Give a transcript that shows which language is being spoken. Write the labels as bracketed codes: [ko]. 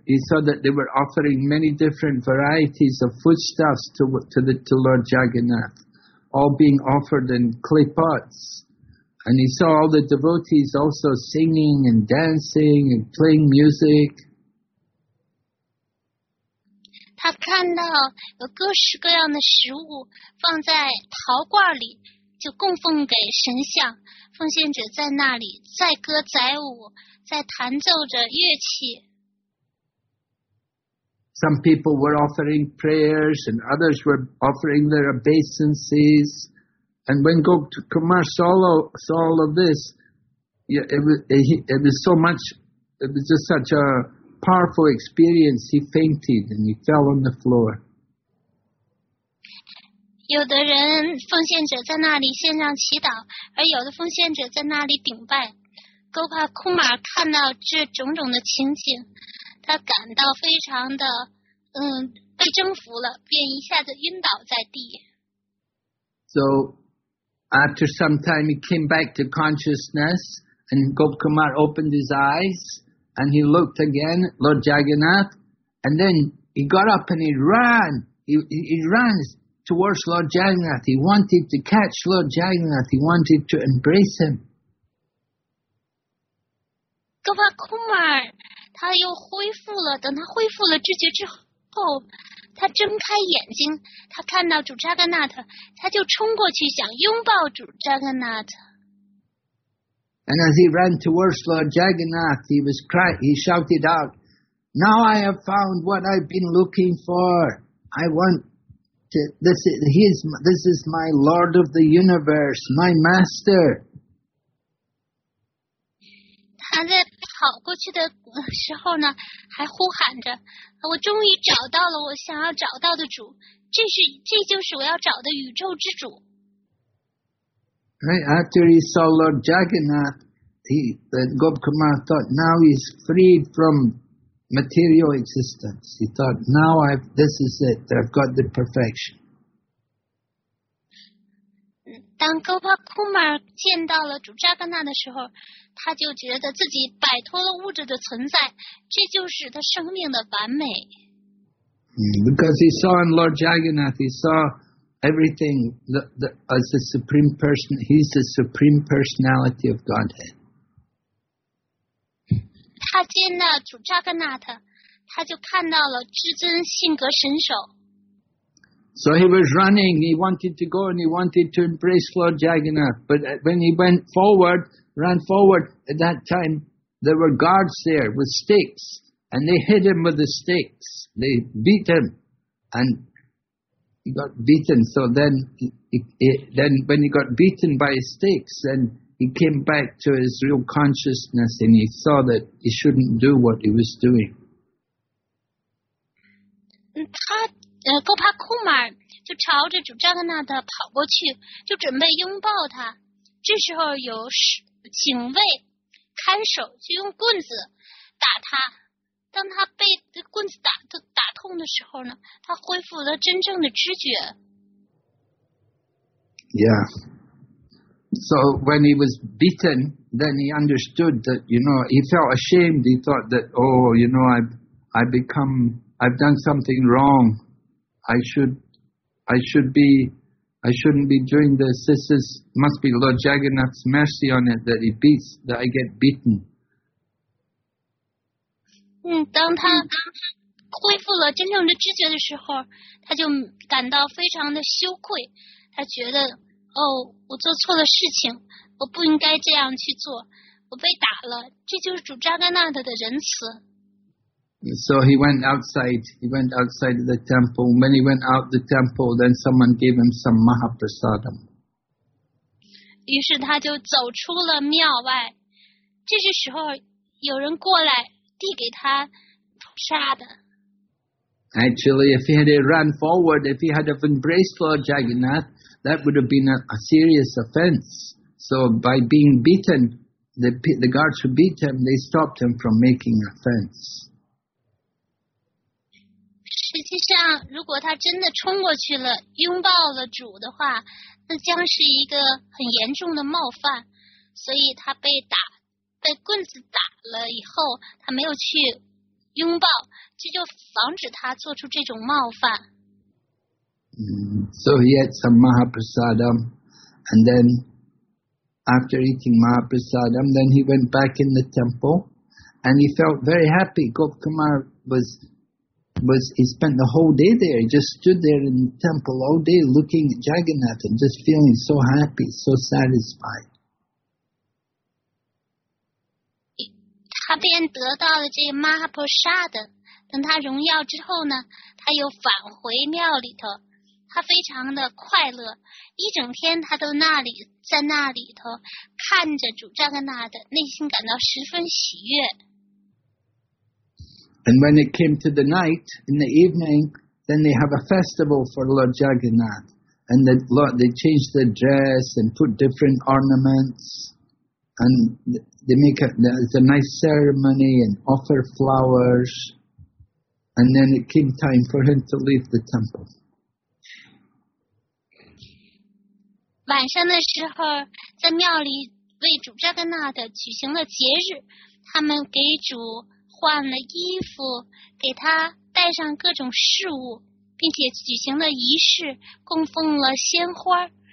[en] He saw that they were offering many different varieties of foodstuffs to Lord Jagannath, all being offered in clay pots. And he saw all the devotees also singing and dancing and playing music. [zh] 他看到有各式各样的食物放在陶罐里，就供奉给神像。奉献者在那里载歌载舞，在弹奏着乐器。 [en] Some people were offering prayers, and others were offering their obeisances. And when Gop Kumar saw all of this, it was just such a powerful experience. He fainted and he fell on the floor. [zh] 有的人奉献者在那里献上祈祷，而有的奉献者在那里顶拜。 Gop Kumar 看到这种种的情景，他感到非常的被征服了，便一下子晕倒在地。 [en] So. After some time, he came back to consciousness, and Gop Kumar opened his eyes, and he looked again at Lord Jagannath, and then he got up and he ran. He ran towards Lord Jagannath. He wanted to catch Lord Jagannath. He wanted to embrace him. Gop Kumar, [zh] 他又恢复了，等他恢复了知觉之后，他睁开眼睛，他看到主扎格纳特，他就冲过去想拥抱主扎格纳特。 [en] And as he ran towards Lord Jagannath, he was crying, he shouted out, Now I have found what I've been looking for. I want to, this is my Lord of the universe, my master. [zh] 他在跑过去的时候呢，还呼喊着，我终于找到了我想要找到的主，这就是我要找的宇宙之主。 [en] Right, after he saw Lord Jagannath, Gopkumar thought, now he's freed from material existence. He thought, now this is it, I've got the perfection. [zh] 当 Gopkumar 见到了主扎格纳的时候，他就觉得自己摆脱了物质的存在，这就是他生命的完美。 [en] Because he saw in Lord Jagannath, he saw everything as the supreme person, he's the supreme personality of Godhead. [zh] 他见到主扎格纳特，他就看到了至尊性格神手。 [en] So he was running, he wanted to go and he wanted to embrace Lord Jagannath. But when he went forward, ran forward, at that time there were guards there with sticks and they hit him with the sticks. They beat him and he got beaten. So then, when he got beaten by his sticks, then he came back to his real consciousness and he saw that he shouldn't do what he was doing. [zh] 他 Gopakumar 就朝着主扎格纳特跑过去，就准备拥抱他。这时候有警卫看守就用棍子打他。当他被棍子打痛的时候呢，他恢复了真正的知觉。 [en] Yeah. So when he was beaten, then he understood that, you know, he felt ashamed. He thought that, oh, you know, I've done something wrong. I shouldn't be doing this. This must be Lord Jagannath's mercy on it that he beats, that I get beaten. [zh] 当他恢复了真正的知觉的时候，他就感到非常的羞愧。他觉得，哦，我做错了事情，我不应该这样去做。我被打了，这就是主扎格纳特的仁慈。 [en] So he went outside. He went outside of the temple. When he went out the temple, then someone gave him some Mahaprasadam. [zh] 于是他就走出了庙外。这是时候有人过来递给他菩萨的。 [en] Actually, if he had run forward, if he had have embraced Lord Jagannath, that would have been a serious offense. So by being beaten, the guards who beat him, they stopped him from making offense. [zh] 实际上，如果他真的冲过去了，拥抱了主的话，那将是一个很严重的冒犯。所以他被棍子打了以后，他没有去拥抱，这就防止他做出这种冒犯。 [en] So he had some Mahaprasadam, and then after eating Mahaprasadam, then he went back in the temple, and he felt very happy. Gopkumar was he spent the whole day there. He just stood there in the temple all day looking at Jagannath and just feeling so happy, so satisfied. [zh] 他便得到了这个 Mahaprasada。等他荣耀之后呢，他又返回庙里头，他非常的快乐，一整天他都在那里头看着主 Jagannath 的，内心感到十分喜悦。 [en] And when it came to the night, in the evening, then they have a festival for Lord Jagannath. And they change their dress and put different ornaments. And they make a nice ceremony and offer flowers. And then it came time for him to leave the temple. [zh] 晚上的时候，在庙里为主扎格纳特举行了节日，他们给主换了衣服，给他带上各种饰物，并且举行了仪式，供奉了鲜花。